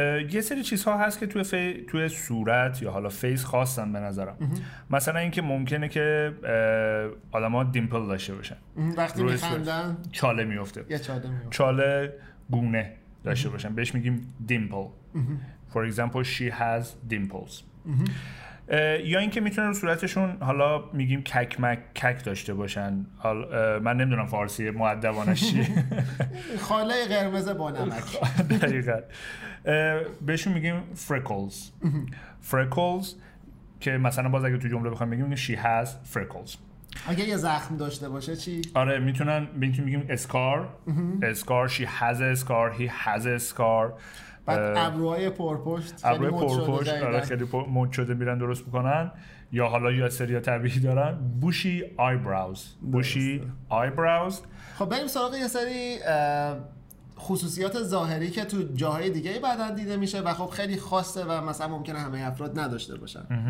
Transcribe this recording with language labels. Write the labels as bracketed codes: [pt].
[fa] یه سری چیزها هست که توی صورت یا حالا فیس خواستن به نظرم. مثلا اینکه ممکنه که آدما دیمپل داشته باشن وقتی میخندن، چاله میفته، چاله گونه داشته باشن، بهش میگیم دیمپل. [en] For example she has dimples. [fa] یا اینکه میتونه رو صورتشون، حالا میگیم ککمک کک داشته باشن، حالا من نمیدونم فارسی مؤدبانش چیه، خاله قرمز با نمک. دقیقاً. بهشون میگیم فرکلز. فرکلز که مثلا باز اگه تو جمله بخوام بگیم she has freckles. اگه یه زخم داشته باشه چی؟ آره میتونن بهشون میگیم اسکار. [en] Scar, she has a scar، he has a scar. [fa] بعد ابروهای پرپشت، ابروهای پرپشت خیلی مود شده میرن درست میکنن، یا حالا یا سریا طبیعی دارن، بوشی آیبراوز. [en] Bushy eyebrows. [fa] خب بریم سراغ یه سری خصوصیات ظاهری که تو جاهای دیگه بدن دیده میشه و خب خیلی خاصه و مثلا ممکنه همه افراد نداشته باشن.